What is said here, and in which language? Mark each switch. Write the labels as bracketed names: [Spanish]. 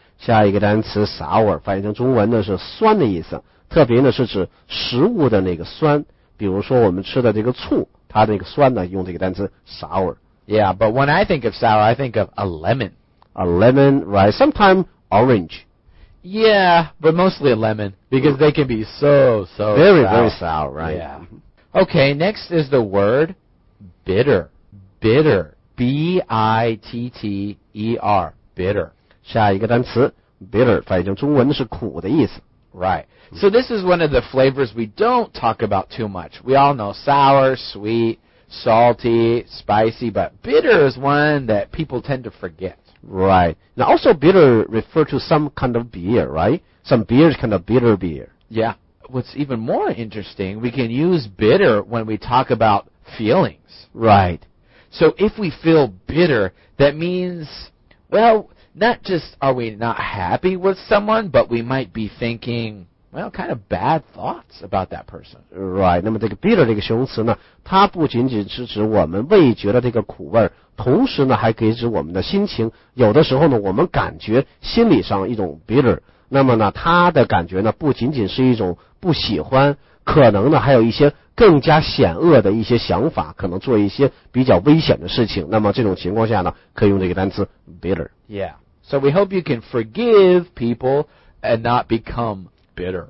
[Chinese] 下一个单词 sour, 翻译成中文呢是酸的意思，特别呢是指食物的那个酸，比如说我们吃的这个醋，它那个酸呢用这个单词 sour. [English] Yeah, but when I think of sour, I think of a lemon. A lemon, right, sometimes orange. Yeah, but mostly a lemon, because they can be so, so very, Very, very sour, right. Yeah. Okay, next is the word bitter. Bitter. B-I-T-T-E-R, bitter. [Chinese] 下一个单词 bitter, 翻译成中文是苦的意思。 [English] Right. So this is one of the flavors we don't talk about too much. We all know sour, sweet, salty, spicy, but bitter is one that people tend to forget. Right. Now also bitter refer to some kind of beer, right? Some beer is kind of bitter beer. Yeah. What's even more interesting, we can use bitter when we talk about feelings. Right. So if we feel bitter, that means, well, not just are we not happy with someone, but we might be thinking, well, kind of bad thoughts about that person. Right. [Chinese] 那么这个 bitter 这个形容词呢，它不仅仅是指我们味觉的这个苦味，同时呢还可以指我们的心情。有的时候呢，我们感觉心理上一种 bitter， 那么呢，它的感觉呢不仅仅是一种不喜欢，可能呢还有一些更加险恶的一些想法，可能做一些比较危险的事情。那么这种情况下呢，可以用这个单词 bitter. [English] Yeah. So we hope you can forgive people and not become bitter.